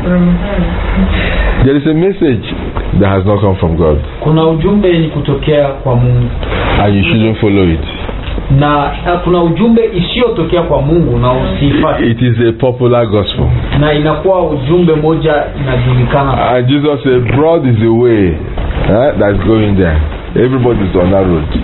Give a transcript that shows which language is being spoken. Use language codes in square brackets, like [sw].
[en] There is a message that has not come from God. [sw] Kuna ujumbe ni kutokea kwa Mungu. [en] And you shouldn't follow it. [sw] Na kuna ujumbe isiyotokea kwa Mungu na usifuate. [en] It is a popular gospel. [sw] Na inakuwa ujumbe moja inajulikana. [en] And Jesus said, broad is the way that's going there. Everybody is on that road.